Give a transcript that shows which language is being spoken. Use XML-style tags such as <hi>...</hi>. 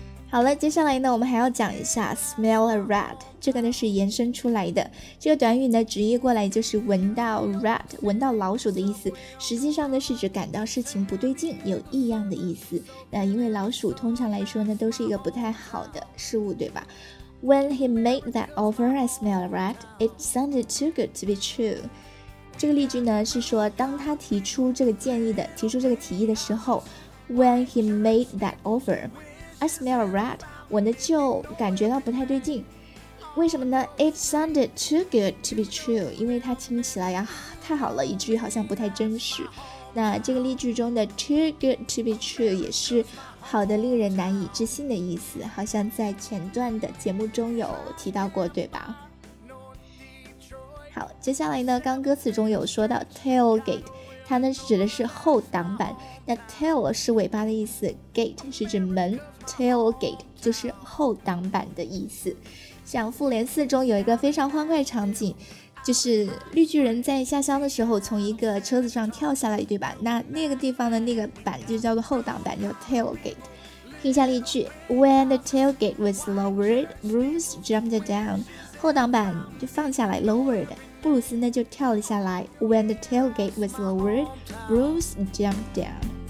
<zh>好了，接下来呢我们还要讲一下 smell a rat， 这个呢是延伸出来的，这个短语呢直译过来就是闻到 rat， 闻到老鼠的意思，实际上呢是指感到事情不对劲，有异样的意思。那因为老鼠通常来说呢都是一个不太好的事物对吧。</zh> <en>When he made that offer I smell a rat, it sounded too good to be true。</en> <zh>这个例句呢是说当他提出这个建议的提出这个提议的时候，</zh> <en>When he made that offerI smell a rat，</en> <zh>闻的就感觉到不太对劲。为什么呢？</zh> <en>It sounded too good to be true，</en> <zh>因为它听起来呀、啊、太好了，以至于好像不太真实。那这个例句中的 too good to be true 也是好的令人难以置信的意思，好像在前段的节目中有提到过对吧。好，接下来呢刚歌词中有说到 tailgate，它呢指的是后挡板，那 tail 是尾巴的意思， gate 是指门， tailgate 就是后挡板的意思。像复联四中有一个非常欢快场景，就是绿巨人在下乡的时候从一个车子上跳下来对吧，那那个地方的那个板就叫做后挡板，叫 tailgate。听一下例句，</zh> <en>When the tailgate was lowered, Bruce jumped down.</en> <zh>后挡板就放下来 lowered，布鲁斯呢就跳了下来。</zh> <en>When the tailgate was lowered, Bruce jumped down.</en>